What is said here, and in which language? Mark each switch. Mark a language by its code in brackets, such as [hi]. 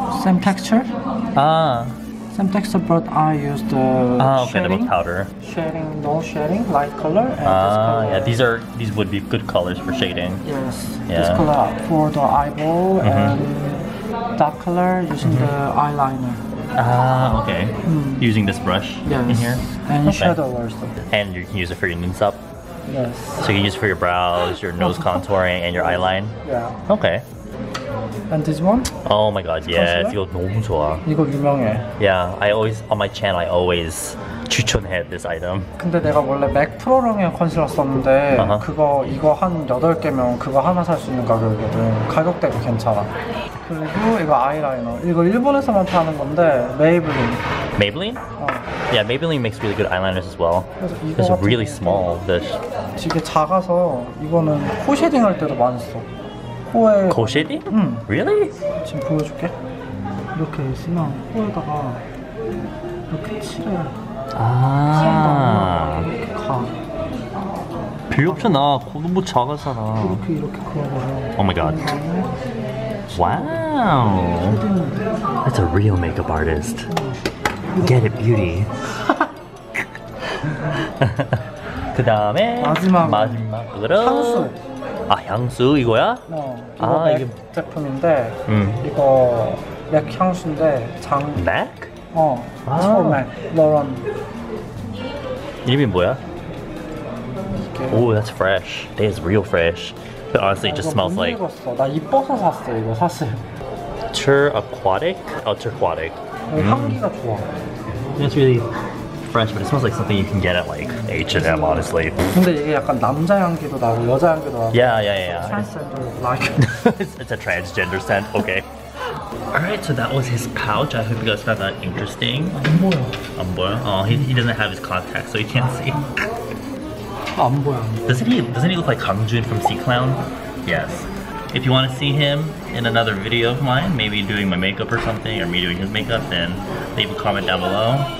[en] Same texture? [ko] 아. [en] Same texture, but I use the shading kind of powder. Shading, no shading, light color. And this color. Yeah, these would be good colors for shading. Yes. Yeah. This color for the eyeball and dark color using the eyeliner. Okay. Using this brush in here? And shadow also. And you can use it for your nose up? Yes. So you can use it for your brows, your nose contouring, and your eyeline? Yeah. Okay. And this one? Oh my god, yes. [ko] 이거 너무 좋아. 이거 유명해. [en] Yeah, I always, on my channel, I always [ko] 추천해 [en] this item. [ko] 근데 내가 원래 맥 프로랑 컨실러 썼는데 그거 이거 한 8개면 그거 하나 살 수 있는 가격이거든. 가격대도 괜찮아. 그리고 이거 아이라이너. 이거 일본에서만 파는 건데 Maybelline. [en] Maybelline? [ko] 어. [en] Yeah, Maybelline makes really good eyeliners as well. [ko] 그래서 [en] it's really small, this. [ko] 이게 작아서 이거는 코 쉐딩 할 때도 많이 써. 코에... 코 쉐딩? 응. [en] Really? [ko] 지금 보여줄게. 이렇게 쓰면 코에다가 이렇게 칠해. 아아 귀엽잖아. 코 너무 작아서나 이렇게 이렇게 그려봐요. [en] Oh my god. Wow. That's a real makeup artist. Get it, beauty. [ko] 그 다음에 마지막으로 향수. 아 향수 이거야? 어. 아 이게 제품인데 이거 맥 향수인데 장 맥? 어 [en] It's for Mac, Lauren. [ko] 이름이 뭐야? [en] Oh, that's fresh. That is real fresh. But honestly, it just smells like. [ko] 나 이뻐서 샀어 이거 샀어. [en] Turquatic? Oh, Turquatic. [ko] 향기가 좋아. [en] It's really fresh, but it smells like something you can get at like H&M, honestly. [ko] 근데 이게 약간 남자 향기도 나고 여자 향기도 나고. [en] Yeah. Transgender, like. It's a transgender scent. Okay. Alright, so that was his pouch. I hope you guys found that interesting. [ko] 안 보여. 안 보여? [en] Oh, he doesn't have his contacts, so he can't see. [ko] 안 보여, 안 보여. [en] Doesn't he look like Kang Jun from Sea Clown? Yes. If you want to see him in another video of mine, maybe doing my makeup or something, or me doing his makeup, then leave a comment down below.